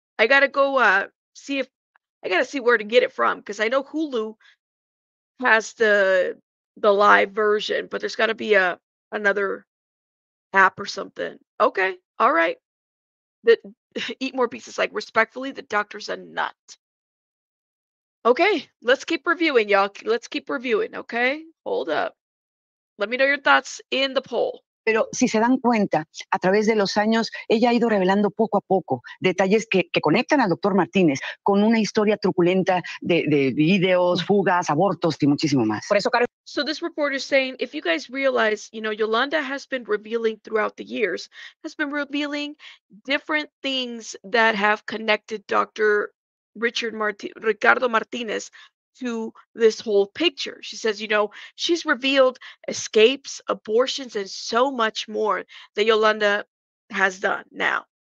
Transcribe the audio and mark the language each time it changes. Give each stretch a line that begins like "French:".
English: I got to go see where to get it from, because I know Hulu has the live version, but there's got to be another app or something. Okay, all right. Eat more pieces, like, respectfully, the doctor's a nut. Okay, let's keep reviewing, y'all. Let's keep reviewing, okay? Hold up. Let me know your thoughts in the poll.
Spanish: Pero si se dan cuenta, a través de los años, ella ha ido revelando poco a poco detalles que conectan al doctor Martínez con una historia truculenta de videos, fugas, abortos y muchísimo más. Por eso, Carlos.
English: So this reporter is saying, if you guys realize, you know, Yolanda has been revealing throughout the years, has been revealing different things that have connected Dr. Ricardo Martinez to this whole picture. She says, you know, she's revealed escapes, abortions, and so much more that Yolanda has done now.